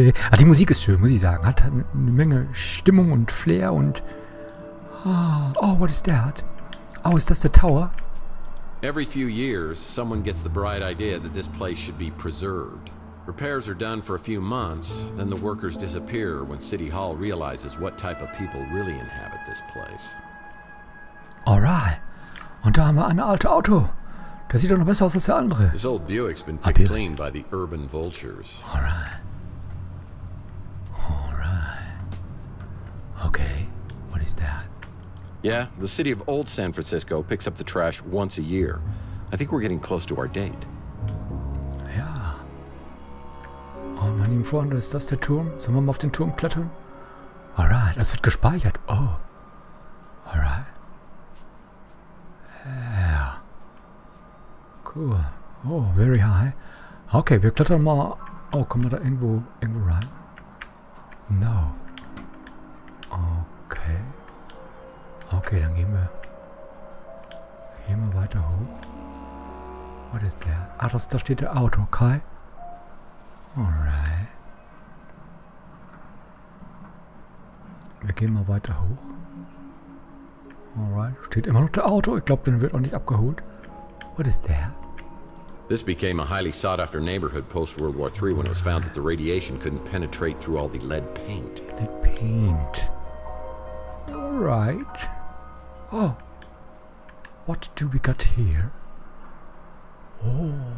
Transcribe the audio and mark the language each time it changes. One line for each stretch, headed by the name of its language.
German: Ah, die Musik ist schön, muss ich sagen. Hat eine Menge Stimmung und Flair und...
English: Oh, what is that?
German: Oh, ist das der Tower?
English: Every few years, someone gets the bright idea that this place should be preserved. Repairs are done for a few months, then the workers disappear when City Hall realizes what type of people really inhabit this place. Alright.
German: Und da haben wir ein altes Auto. Das sieht doch noch besser aus als der andere.
English: This old Buick's been picked clean by the urban vultures. Alright. Okay, what is that? Yeah, the city of old San Francisco picks up the trash once a year. I think we're getting close to our date.
German: Oh, meine lieben Freunde, ist das der Turm? Sollen wir mal auf den Turm klettern? Alright, das wird gespeichert.
English: Oh. Alright. Ja. Yeah. Cool. Oh, very high.
German: Okay, wir klettern mal. Oh, kommen wir da irgendwo rein? No. Okay. Okay, dann gehen wir weiter hoch.
English: What is that?
German: Ah, da steht der Auto, okay? Alright. Wir gehen mal weiter hoch. Alright. Steht immer noch der Auto. Ich glaube, den wird auch nicht abgeholt.
English: What is that? This became a highly sought-after neighborhood post-World War III when it was found that the radiation couldn't penetrate through all the lead paint. Lead paint. All right. Oh. What do we got here? Oh.